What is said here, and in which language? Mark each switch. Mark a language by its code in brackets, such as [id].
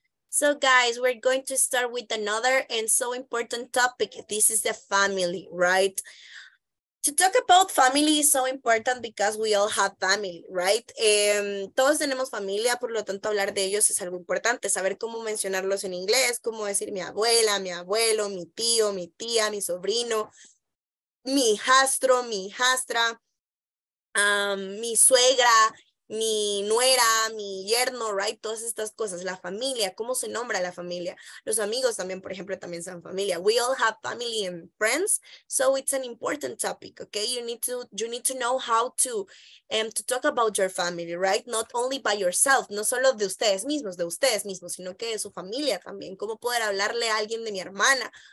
[en] So guys, we're going to start with another and so important topic. This is the family, right? To talk about family is so important because we all have family, right? [es] Todos tenemos familia, por lo tanto hablar de ellos es algo importante. Saber cómo mencionarlos en inglés, cómo decir mi abuela, mi abuelo, mi tío, mi tía, mi sobrino, mi hijastro, mi hijastra, mi suegra. mi nuera, mi yerno, right? Todas estas cosas, la familia, ¿cómo se nombra la familia? Los amigos también, por ejemplo, también son familia. [en] We all have family and friends, so it's an important topic, okay? You need to know how to talk about your family, right? Not only by yourself, [es] no solo de ustedes mismos, sino que de su familia también. ¿Cómo poder hablarle a alguien de mi hermana?